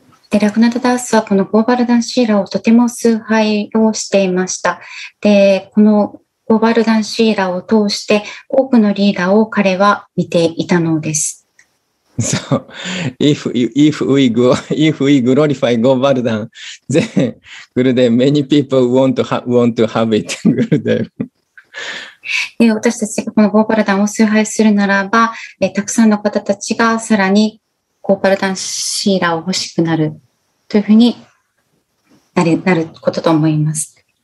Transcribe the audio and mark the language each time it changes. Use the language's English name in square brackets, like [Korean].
[Japanese] でラグナタダースはこのゴーバルダンシーラをとても崇拝をしていました。でこのゴーバルダンシーラを通して多くのリーダーを彼は見ていたのです。 [English] So, if we glorify Govardhan, then Gurudev, many people want to have it, Gurudev. [Japanese] 私たちがこのゴーバルダンを崇拝するならば、たくさんの方たちがさらにゴーバルダンシーラを欲しくなるというふうになることと思います。